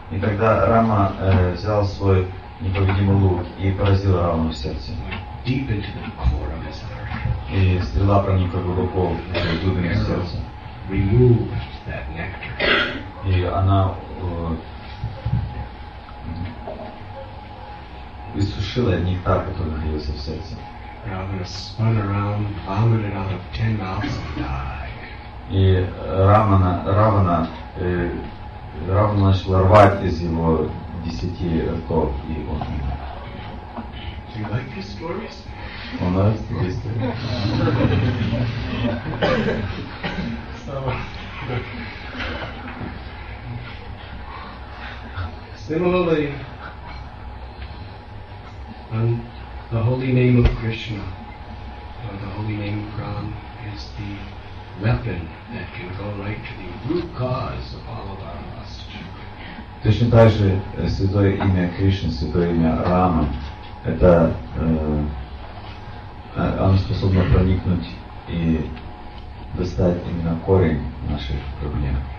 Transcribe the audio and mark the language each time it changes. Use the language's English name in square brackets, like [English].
[Russian] И тогда Рама взял свой непобедимый лук и поразил Равану в сердце. [English] Deep into the core of his heart. [Russian] И стрела проникла глубоко в глубину его сердца. [English] Removed that nectar. [Russian] И она высушила нектар, который находился в сердце. [English] Ravana spun around, vomited out of 10 mouths and died. [Russian] И Равана начала рвать из его 10 ртов, и он умер. [English] Do you like these stories? Well, no, it's the history. So, Similarly, and the holy name of Krishna, or the holy name of Ram, is the weapon that can go right to the root cause of all of our lust. [Russian] Точно так же святое имя Кришны, святое имя Рама, это оно способно проникнуть и достать именно корень наших проблем.